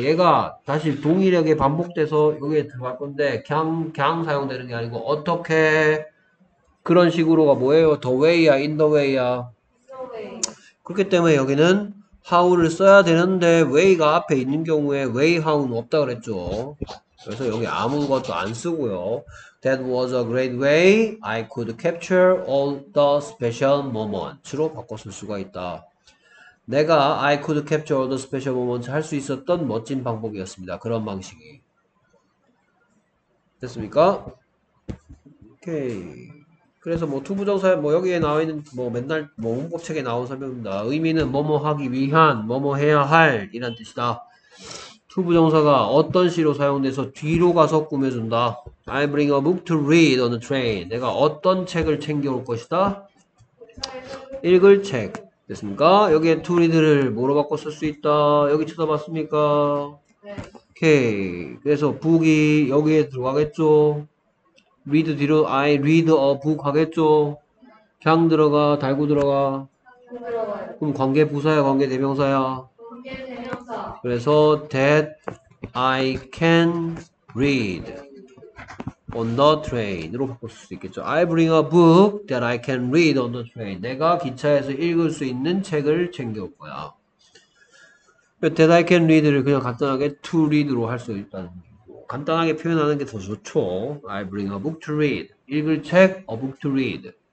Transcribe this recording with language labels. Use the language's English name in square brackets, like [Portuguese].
[Korean] 얘가 다시 동일하게 반복돼서 여기에 들어갈 건데, 그냥 사용되는 게 아니고, 어떻게? 그런 식으로가 뭐예요? The way야? In the way야? [English] In the way. [Korean] 그렇기 때문에 여기는 how를 써야 되는데 way가 앞에 있는 경우에 way, how는 없다 그랬죠. 그래서 여기 아무것도 안 쓰고요. [English] That was a great way I could capture all the special moments로 [Korean] 바꿔 쓸 수가 있다. 내가 [English] I could capture all the special moments [Korean] 할 수 있었던 멋진 방법이었습니다. 그런 방식이. 됐습니까? 오케이. 그래서 뭐 투부정사에 뭐 여기에 나와 있는 뭐 맨날 뭐 문법책에 나온 설명입니다. 의미는 뭐뭐 하기 위한, 뭐뭐 해야 할 이란 뜻이다. 투부정사가 어떤 시로 사용돼서 뒤로 가서 꾸며준다. [English] I bring a book to read on the train. [Korean] 내가 어떤 책을 챙겨올 것이다? 읽을 책. 됐습니까? 여기에 to read를 뭐로 바꿔 쓸 수 있다? 여기 쳐다봤습니까? 네. 오케이. 그래서 book이 여기에 들어가겠죠? read 뒤로 I read a book 하겠죠? 장 들어가, 달고 들어가. 들어가요. 그럼 관계 부사야, 관계 대명사야? 그래서 [English] that I can read on the train [Korean] 으로 바꿀 수 있겠죠. [English] I bring a book that I can read on the train. [Korean] 내가 기차에서 읽을 수 있는 책을 챙겨올 거야. [English] That I can read [Korean] 를 그냥 간단하게 to read로 할 수 있다는 거고 간단하게 표현하는 게 더 좋죠. [English] I bring a book to read. [Korean] 읽을 책, [English] a book to read.